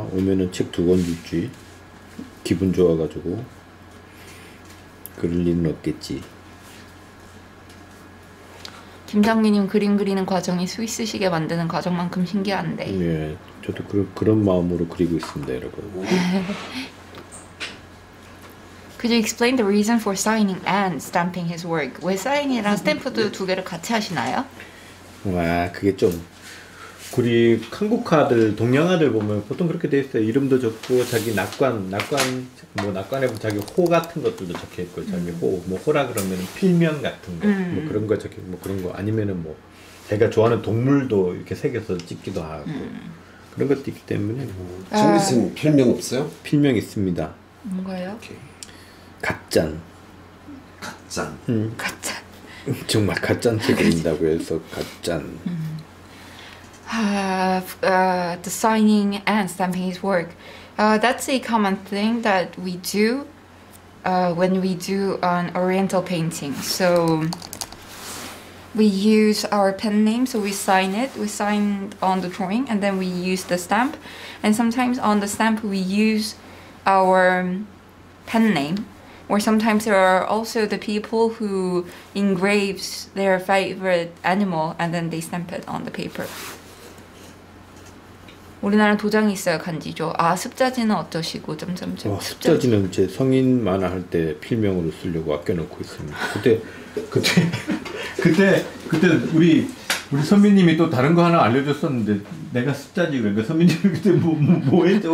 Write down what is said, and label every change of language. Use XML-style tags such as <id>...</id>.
<ko>오면은 책 두 권 줄지. 기분 좋아가지고. 그럴 일은 없겠지. 김장미님 그림 그리는 과정이 스위스 시계 만드는 과정만큼 신기한데. 예, 저도 그런 마음으로 그리고 있습니다, 여러분.</ko> <en>Could you explain the reason for signing and stamping his work?</en> <ko>왜 사인이랑 스탬프도 두 개를 같이 하시나요? 와, 그게 좀 우리 한국화들 동양화들 보면 보통 그렇게 돼 있어요. 이름도 적고 자기 낙관 뭐 낙관에 보면 자기 호 같은 것들도 적혀 있고 자기 호 뭐 호라 그러면 필면 같은 거 뭐 그런 거 적혀 뭐 그런 거 아니면은 뭐 제가 좋아하는 동물도 이렇게 새겨서 찍기도 하고 그런 것도 있기 때문에 정리스님 필명 없어요? 필명 있습니다. 뭔가요? 가짠. 가짠. 가짠. 정말 가짠 책임다고 해서 가짠.</ko> <en>The signing and stamping his work. That's a common thing that we do when we do an oriental painting. So we use our pen name, so we sign it. We sign on the drawing and then we use the stamp. And sometimes on the stamp we use our pen name. Or sometimes there are also the people who engraves their favorite animal and then they stamp it on the paper.</en> <ko>우리나라 도장이 있어요, 간지죠. 아, 습자지는 어떠시고 점점점. 와, 습자지는 제 성인 만화 할 때 필명으로 쓰려고 아껴놓고 있습니다. 그때 우리 선배님이 또 다른 거 하나 알려줬었는데 내가 습자지 그러니까 선배님 그때 뭐 했죠?</ko>